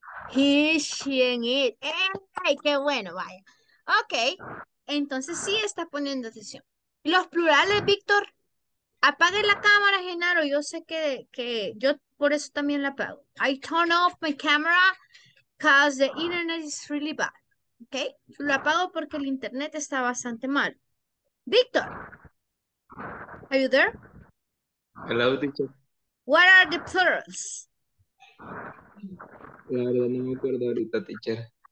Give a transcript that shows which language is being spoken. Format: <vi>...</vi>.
<en>He, she, and it.</en> <es>¡Ay, qué bueno, vaya! Ok, entonces sí está poniendo atención. Los plurales, Víctor. Apague la cámara, Genaro. Yo sé que yo por eso también la apago.</es> <en>I turn off my camera because the internet is really bad.</en> <es>Ok, yo lo apago porque el internet está bastante mal.</es> <en>Víctor, are you there? Hello, teacher. What are the plurals?</en> <es>La verdad no me acuerdo ahorita, teacher.</es>